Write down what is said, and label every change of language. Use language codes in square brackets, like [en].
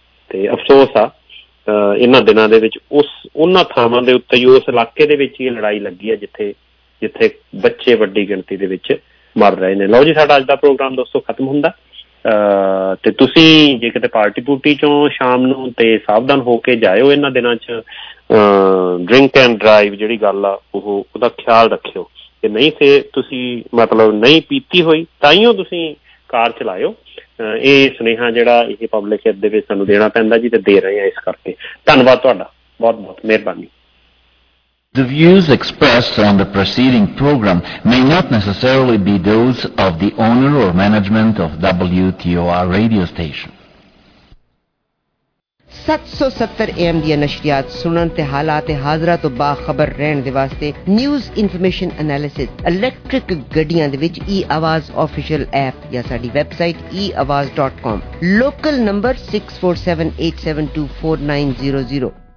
[pa] ਤੇ ਅਫਸੋਸ ਆ ਇਹਨਾਂ ਦਿਨਾਂ ਦੇ ਵਿੱਚ ਉਸ ਉਹਨਾਂ ਥਾਵਾਂ ਦੇ ਉੱਤੇ ਉਸ ਇਲਾਕੇ ਦੇ ਵਿੱਚ ਹੀ ਲੜਾਈ ਲੱਗੀ ਹੈ ਜਿੱਥੇ ਬੱਚੇ ਵੱਡੀ ਗਿਣਤੀ ਦੇ ਵਿੱਚ ਮਰ ਰਹੇ ਨੇ। ਲਓ ਜੀ ਸਾਡਾ ਅੱਜ ਦਾ ਪ੍ਰੋਗਰਾਮ ਦੋਸਤੋ ਖਤਮ ਹੁੰਦਾ, ਤੇ ਤੁਸੀਂ ਜੇ ਕਿਤੇ ਪਾਰਟੀ ਪੂਰਟੀ ਚੋਂ ਸ਼ਾਮ ਨੂੰ ਤੇ ਸਾਵਧਾਨ ਹੋ ਕੇ ਜਾਇਓ ਇਹਨਾਂ ਦਿਨਾਂ ਚ, ਡਰਿੰਕ ਐਂਡ ਡਰਾਈਵ ਜਿਹੜੀ ਗੱਲ ਆ ਉਹਦਾ ਖਿਆਲ ਰੱਖਿਓ। ਤੇ ਨਹੀਂ ਤੇ ਤੁਸੀਂ ਮਤਲਬ ਨਹੀਂ ਪੀਤੀ ਹੋਈ ਤਾਂਹੀਓ ਤੁਸੀਂ ਕਾਰ ਚਲਾਇਓ। ਇਹ ਸੁਨੇਹਾ ਜਿਹੜਾ ਇਹ ਪਬਲਿਕ ਹੈਲਥ ਦੇ ਵਿੱਚ ਸਾਨੂੰ ਦੇਣਾ ਪੈਂਦਾ ਜੀ, ਤੇ ਦੇ ਰਹੇ ਹਾਂ ਇਸ ਕਰਕੇ। ਧੰਨਵਾਦ ਤੁਹਾਡਾ, ਬਹੁਤ ਬਹੁਤ ਮਿਹਰਬਾਨੀ। [en] The views expressed on the preceding program may not necessarily be those of the owner or management of WTOR radio station. [pa] 770 AM ਦੀਆਂ ਨਸ਼ਰੀਆਤ ਸੁਣਨ ਤੇ ਹਾਲਾਤ ਤੇ ਹਾਜ਼ਰਾਂ ਤੋਂ ਬਾਖਬਰ ਰਹਿਣ ਦੇ ਵਾਸਤੇ ਨਿਊਜ਼ ਇਨਫੋਰਮੇਸ਼ਨ ਅਨਾਲਿਸਿਸ, ਇਲੈਕਟ੍ਰਿਕ ਗੱਡੀਆਂ ਦੇ ਵਿੱਚ ਈ ਆਵਾਜ਼ ਆਫੀਸ਼ੀਅਲ ਐਪ ਜਾਂ ਸਾਡੀ ਵੈਬਸਾਈਟ eawaz.com, ਲੋਕਲ ਨੰਬਰ 6478724900।